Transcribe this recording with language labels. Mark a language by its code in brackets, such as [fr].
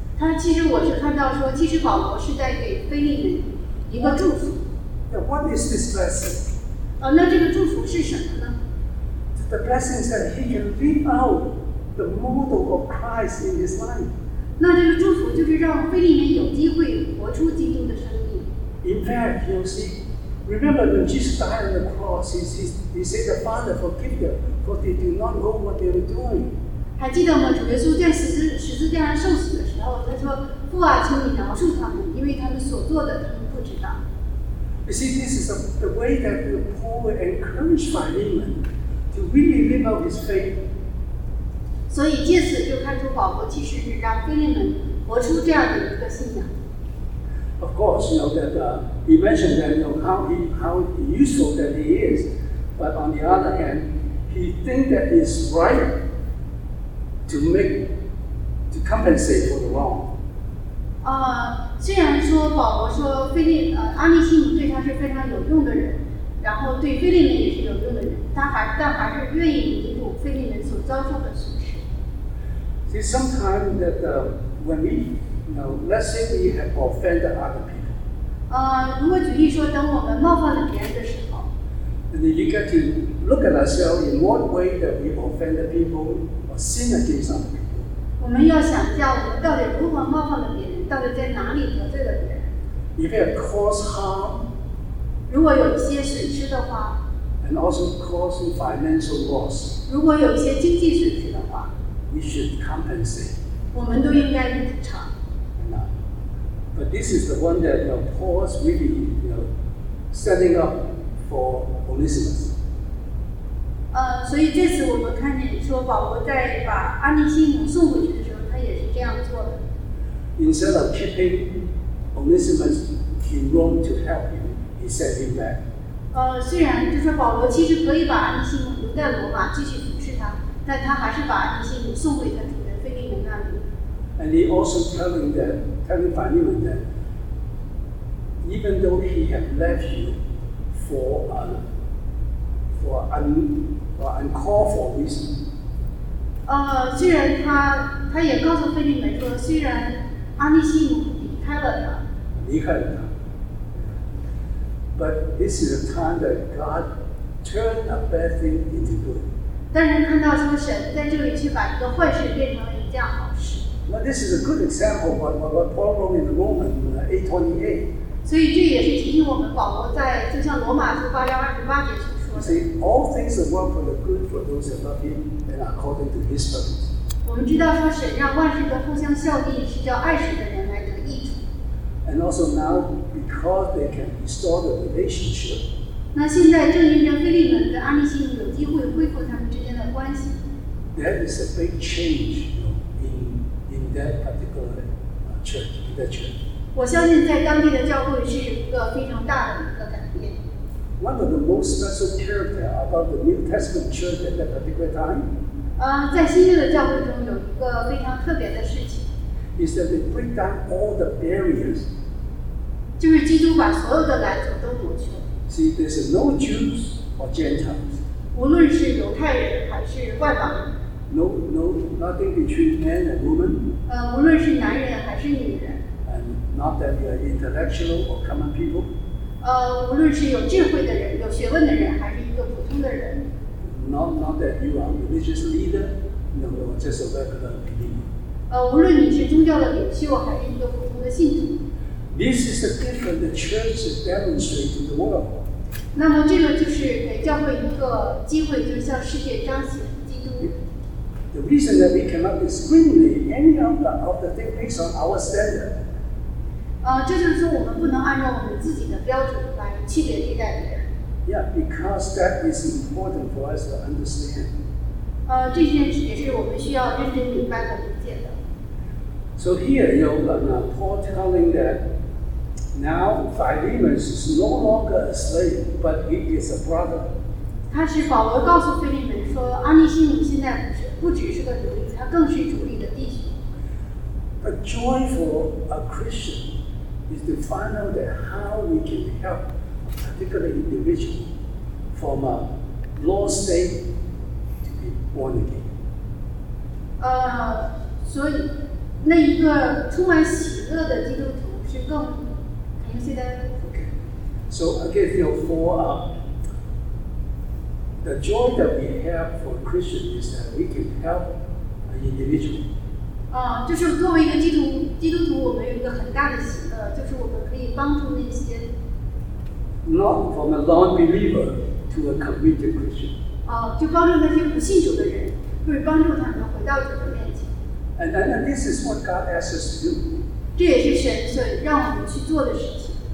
[zh] 他其实我是看到说，其实保罗是在给腓利门一个祝福。 [en] What is this blessing? [zh] 那这个祝福是什么呢？ [en] The blessing is that he can live out the model of Christ in his life. [zh] 那这个祝福就是让腓利门有机会活出基督的生命。 [en] In fact, you see, remember when Jesus died on the cross, he said, "The Father, forgive them, for they do not know what they are doing." [zh] 还记得吗？主耶稣在十字架上受死的时候，他说：“父啊，请你饶恕他们，因为他们所做的，他们不知道。” [en] You see, this is the way that Paul encouraged Philemon. To really live out his faith. [zh] 所以借此就看出保罗其实是让腓利门活出这样的一个信仰。 [en] Of course, he mentioned that how useful that he is, but on the other hand, he thinks that it's right to compensate for the wrong. [zh] 虽然说保罗说阿尼西姆对他是非常有用的人，然后对腓利门也是有用的人，但还是愿意弥补腓利门所遭受的损失。 [en] See, sometimes that when we, let's say we have offended other people. [zh] 如果举例说，等我们冒犯了别人的时候 [en] ，And you get to look at ourselves in what way that we offended people or sin against other people. [zh] 我们要想一下，我们到底如何冒犯了别人，到底在哪里得罪了别人 [en] ？If it caused harm. [zh] 如果有一些损失的话 [en] ，And also caused financial loss. [zh] 如果有一些经济损失的话。 [en] We should compensate. [zh] 我们都应该补偿。 [en] But this is the one that Paul is really setting up for Onesimus. [zh] 所以这次我们看见说保罗在把阿尼西姆送回去的时候，他也是这样做的。 [en] Instead of keeping Onesimus in Rome to help him, he sent him back. [zh] 虽然就是保罗其实可以把阿尼西姆留在罗马继续服侍他。但他还是把阿尼西姆送回他主人腓利门那里。 [en] And he also telling Philemon that, even though he had left you for uncalled for reason. [zh] 虽然他也告诉腓利门说，虽然阿尼西姆离开了他，离开了他。 [en] But this is a time that God turned a bad thing into good. [zh] 但人看到说神在这里去把一个坏事变成了一件好事。 [en] Well, this is a good example of what Paul wrote in Romans 8:28. [zh] 所以这也是提醒我们保罗在就像罗马书8:28所说的。 [en] See, all things are work for the good for those who love him and according to his purpose. [zh] 我们知道说神让万事都互相效力，是叫爱神的人来得益处。 [en] And also now because they can restore the relationship. [zh] 那现在正因着腓利门跟阿尼西姆有机会恢复他们之间的关系。 [en] That is a big change in that particular church, in that church. [zh] 我相信在当地的教会是一个非常大的一个改变。 [en] One of the most special character about the New Testament church at that particular time. [zh] 在新约的教会中有一个非常特别的事情。 [en] Is that they break down all the barriers. [zh] 就是基督把所有的拦阻都夺去了。 [en] See, there's no Jews or Gentiles. [zh] 无论是犹太人还是外邦人。 [en] No, nothing between man and woman. [zh] 无论是男人还是女人。 [en] And not that we are intellectual or common people. [zh] 无论是有智慧的人、有学问的人，还是一个普通的人。 [en] Not that you are religious leader, no, just a regular believer. [zh] 无论你是宗教的领袖，还是一个普通的信徒。 [en] This is the difference the church is demonstrating to the world. [zh] 那么这个就是给教会一个机会，就是向世界彰显基督。 [en] The reason that we cannot discriminate any of the things based on our standard. [zh] 这就是说我们不能按照我们自己的标准来区别对待别人。 [en] Yeah, because that is important for us to understand. [zh] 这件事也是我们需要认真明白和理解的。 [en] So here, Paul telling that now Philemon is no longer a slave, but he is a brother. [zh] 他是保罗告诉腓利门说，阿尼西姆现在不只是个奴隶，他更是主里的弟兄。 [en] But joy for a Christian is to find out that how we can help a particular individual from a lost state to be born again. [zh] 所以。那一个充满喜乐的基督徒是更平息的。 [en] Okay. So again, for the joy that we have for Christians is that we can help an individual. [zh] 就是作为一个基督徒，我们有一个很大的喜乐，就是我们可以帮助那些。 [en] Not from a non-believer to a committed Christian. [zh] 就帮助那些不信主的人，就是帮助他们回到主的面前。 [en] And this is what God asks us to do. [zh] 这也是神所让我们去做的事情。